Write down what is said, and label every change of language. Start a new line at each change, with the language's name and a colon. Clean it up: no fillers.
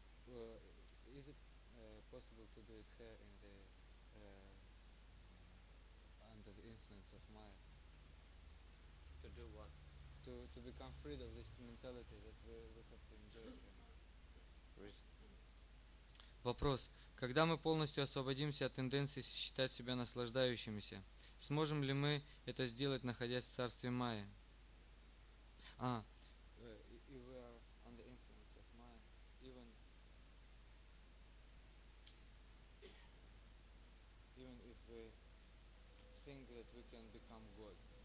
English: Well, is it possible to do it here in the under the influence of Maya? To do what? To become freed of this mentality that we have to enjoy.
Russian: Вопрос. Когда мы полностью освободимся от тенденции считать себя наслаждающимися, сможем ли мы это сделать, находясь в царстве Майи? А.
English: If we are under influence of Maya, even if we think that we can become God.